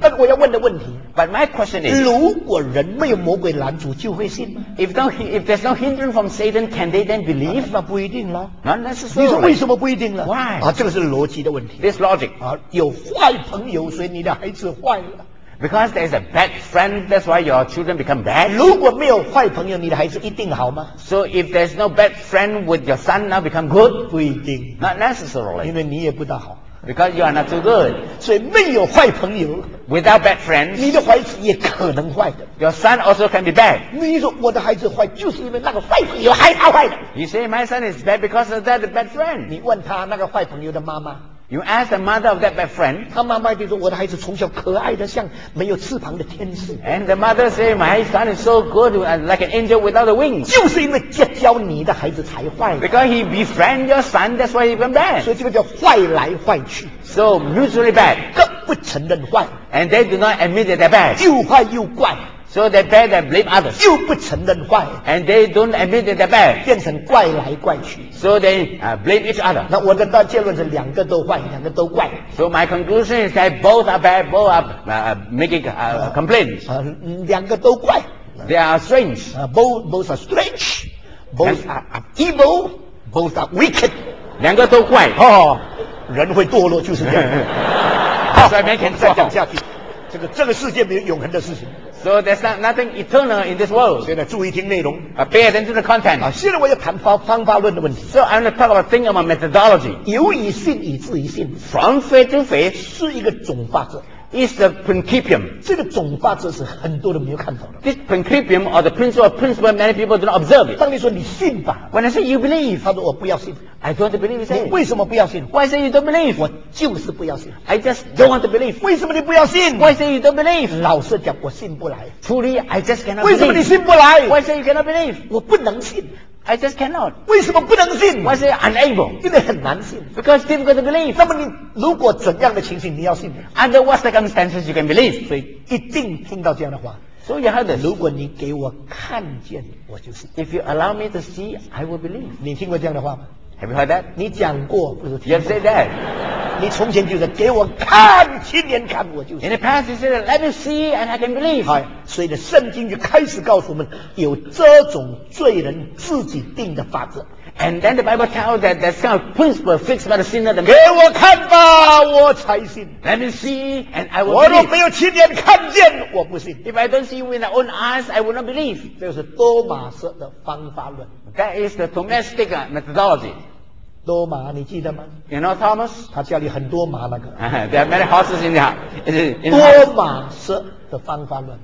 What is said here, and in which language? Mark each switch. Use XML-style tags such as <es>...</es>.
<zh>但我要问的问题。</zh> <en>But my question is.</en> <zh>如果人没有魔鬼拦阻，就会信吗</zh> <en>？If there's no hindrance from Satan, can they then believe?</en> <zh>那不一定啦。</zh> <en>Not necessarily.</en> <zh>你说为什么不一定了</zh> <en>？Why?</en> <zh>啊，这个是逻辑的问题。</zh> <en>This logic.</en> <zh>啊，有坏朋友，所以你的孩子坏了。</zh> <en>Because there is a bad friend, that's why your children become bad.</en> <zh>如果没有坏朋友，你的孩子一定好吗</zh> <en>？So if there's no bad friend, would your son now become good?</en> <zh>不一定。</zh> <en>Not necessarily.</en> <zh>因为你也不大好。</zh> <en>Because you are not too good.</en> <zh>所以没有坏朋友。</zh> <en>Without bad friends,</en> <zh>你的孩子也可能坏的。</zh> <en>Your son also can be bad.</en> <zh>你说我的孩子坏，就是因为那个坏朋友害他坏的。</zh> <en>You say my son is bad because of that bad friend.</en> <zh>你问他那个坏朋友的妈妈。</zh> <en>You ask the mother of that bad friend.</en> <zh>他妈妈就说我的孩子从小可爱的像没有翅膀的天使。</zh> <en>And the mother say, my son is so good, like an angel without a wings.</en> <zh>就是因为结交你的孩子才坏。</zh> <en>Because he befriend your son, that's why he become bad.</en> <zh>所以这个叫坏来坏去。</zh> <en>So mutually bad.</en> <zh>更不承认坏。</zh> <en>And they do not admit that they're bad.</en> <zh>又坏又怪。</zh> <en>So they're bad and blame others.</en> <zh>又不承认坏。</zh> <en>And they don't admit that they're bad.</en> <zh>变成怪来怪去。</zh> <en>So they blame each other.</en> <zh>那我的结论是两个都坏，两个都怪。</zh> <en>So my conclusion is that both are bad, both are making complaints.</en> <zh>两个都怪。</zh> <en>They are strange. Both are strange. Both are evil. Both are wicked.</en> <zh>两个都怪。哦，人会堕落就是这样。好，所以没可能再讲下去。这个世界没有永恒的事情。</zh> <en>So there's nothing eternal in this world.</en> <zh>现在注意听内容。</zh> <en>Pay attention to the content.</en> <zh>现在我要谈方法论的问题。</zh> <en>So I'm going to talk about thing about methodology.</en> <zh>由以信以至于信。</zh> <en>From faith to faith</en> <zh>是一个总法则。</zh> <en>Is the principium.</en> <zh>这个总法则是很多人没有看到的。</zh> <en>This principium or the principle of principle many people do not observe it.</en> <zh>当你说你信吧。</zh> <en>When I say you believe.</en> <zh>他说我不要信。</zh> <en>I don't believe.</en> <zh>你为什么不要信</zh> <en>？Why say you don't believe？</en> <zh>我就是不要信。</zh> <en>I just don't want to believe。</en> <zh>为什么你不要信</zh> <en>？Why say you don't believe？</en> <zh>老实讲，我信不来。</zh> <en>Truly, I just cannot.</en> <zh>为什么你信不来</zh> <en>？Why say you cannot believe？</en> <zh>我不能信。</zh> <en>I just cannot.</en> <zh>为什么不能信</zh> <en>？Why say unable？</en> <zh>因为很难信。</zh> <en>Because it's difficult to believe。</en> <zh>那么你如果怎样的情形你要信</zh> <en>？Under what circumstances you can believe？</en> <zh>所以一定听到这样的话。</zh> <en>So you heard this.</en> <zh>如果你给我看见，我就信。</zh> <en>If you allow me to see, I will believe.</en> <zh>你听过这样的话吗？</zh> <en>Have you heard that?</en> <zh>你讲过不是听</zh> <en>过。You said that.</en> <zh>你从前就是给我看，亲眼看我就是。</zh> <en>In the past, you said, "Let me see and I can believe."</en> <zh>哎，所以呢，圣经就开始告诉我们有这种罪人自己定的法则。</zh> <en>And then the Bible tells that there's some principle fixed by the sinner.</en> <zh>给我看吧，我才信。</zh> <en>Let me see and I will.</en> <zh>我若没有亲眼看见，我不信。</zh> <en>If I don't see with my own eyes, I will not believe.</en> <zh>这是多马斯的方法论。</zh> <en>That is the domestic methodology.</en> <zh>多马，你记得吗</zh> <en>？You know Thomas?</en> <zh>他家里很多马那个。</zh> <en>There are many horses in the house.</en> <zh>多马斯的方法论。</zh>